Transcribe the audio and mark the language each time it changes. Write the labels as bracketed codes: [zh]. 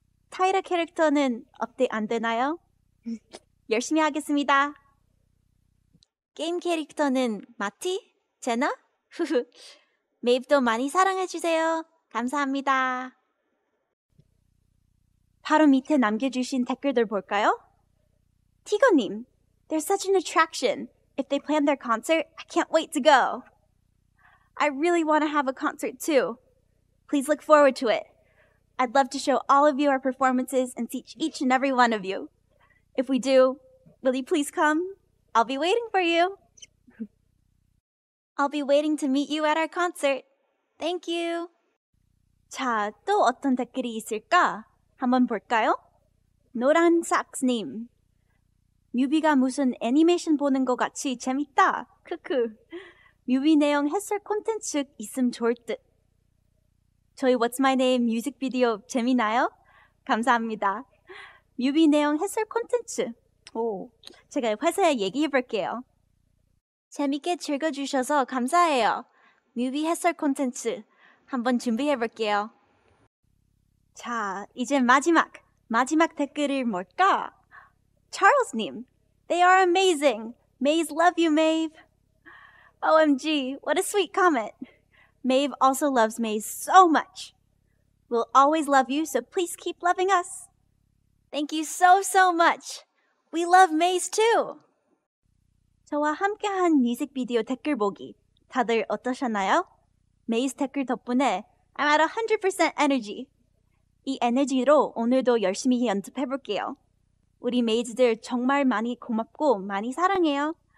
[ko] 타이라 캐릭터는 업데이트 안 되나요? 열심히 하겠습니다. 게임 캐릭터는 마티? 제나? 메이브도 많이 사랑해주세요. 감사합니다. 바로 밑에 남겨주신 댓글들 볼까요? [en] 티거님, There's such an attraction. If they plan their concert, I can't wait to go. I really want to have a concert too. Please look forward to it. I'd love to show all of you our performances and teach each and every one of you. If we do, will you please come? I'll be waiting for you. I'll be waiting to meet you at our concert. Thank you. [ko] 자, 또 어떤 댓글이 있을까? 한번 볼까요? 노란삭스님. 뮤비가 무슨 애니메이션 보는 것 같이 재밌다. 크크. 뮤비 내용 해설 콘텐츠 있음 좋을 듯. 저희 What's My Name 뮤직비디오 재미나요? 감사합니다. 뮤비 내용 해설 콘텐츠. 오, 제가 회사에 얘기해 볼게요. 재밌게 즐겨주셔서 감사해요. 뮤비 해설 콘텐츠 한번 준비해 볼게요. 자, 이제 마지막 댓글을 뭘까? [en] Charles님, They are amazing. Maze love you, Maeve. OMG, what a sweet comment. Maeve also loves Maze so much. We'll always love you, so please keep loving us. Thank you so, so much. We love Maze too. [ko] 저와 함께한 뮤직비디오 댓글 보기 다들 어떠셨나요? 메이즈 댓글 덕분에 [en] I'm at 100% energy. [ko] 이 에너지로 오늘도 열심히 연습해볼게요. 우리 메이즈들 정말 많이 고맙고 많이 사랑해요.